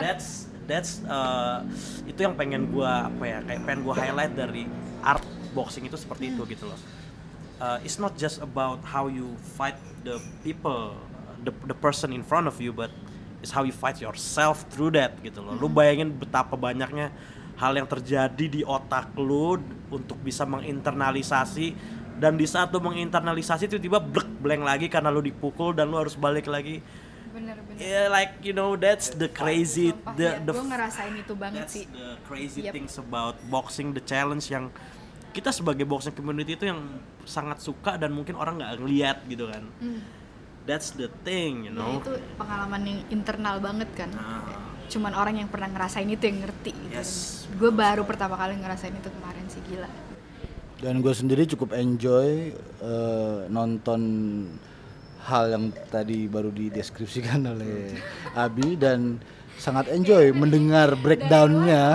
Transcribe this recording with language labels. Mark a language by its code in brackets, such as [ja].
[id] That's itu yang pengen gua apa ya? Kayak pengen gua highlight dari art boxing itu seperti itu gitu loh. [en] It's not just about how you fight the people, the person in front of you, but it's how you fight yourself through that [id] gitu loh. Lu bayangin betapa banyaknya hal yang terjadi di otak lu untuk bisa menginternalisasi, dan di saat lu menginternalisasi tiba-tiba blek blank lagi karena lu dipukul dan lu harus balik lagi. Bener-bener. [en] Yeah, like you know that's the crazy. [id] Gue ngerasain itu banget [en] that's [id] sih. [en] That's the crazy things about boxing, the challenge [id] yang kita sebagai boxing community itu yang sangat suka dan mungkin orang nggak ngeliat gitu kan. [en] That's the thing, you know. [id] Ya, itu pengalaman yang internal banget kan. Cuman orang yang pernah ngerasain itu yang ngerti gitu. [en] Yes. [id] Gue baru pertama kali ngerasain itu kemarin sih, gila. Dan gue sendiri cukup enjoy nonton hal yang tadi baru dideskripsikan oleh Abi, dan sangat enjoy mendengar breakdown-nya.